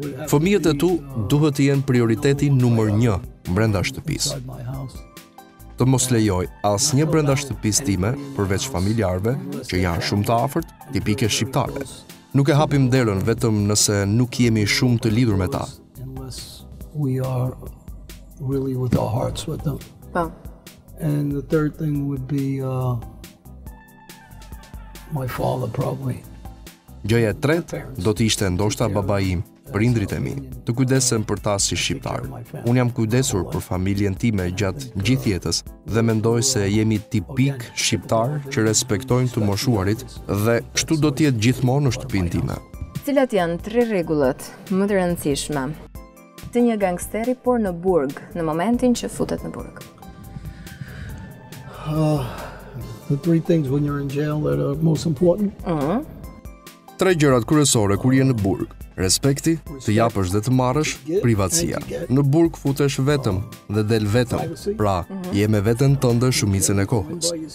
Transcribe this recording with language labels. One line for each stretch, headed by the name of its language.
Albanian: Fëmijët e tu duhet të jenë prioriteti numër 1 brenda shtëpisë. Të mos lejoj asnjë brenda shtëpisë time përveç familjarëve, që janë shumë të afërt, tipike shqiptare. Nuk e hapim derën vetëm nëse nuk jemi shumë të lidhur me ta.
English: We are really with our hearts with them. Pa. And the third thing would be my father probably.
Albanian: Gjëja e tretë do të ishte ndoshta baba im. Prindrit e mi, të kujdesen për ta si shqiptar. Unë jam kujdesur për familjen time gjatë gjithë jetës dhe mendoj se jemi tipik shqiptar që respektojnë të moshuarit dhe kështu do tjetë gjithmonë në shtëpinë time. Cilat janë tre rregullat më të rëndësishme të një gangsteri por në burg, në momentin që futet në burg?
English: The three things when you're in jail that are most important.
Albanian: Tre gjërat kryesore kur je në burg. Respekti, të japësh dhe të marrësh, privatësia. Në burg futesh vetëm dhe del vetëm, pra je me veten tënde shumicën e kohës.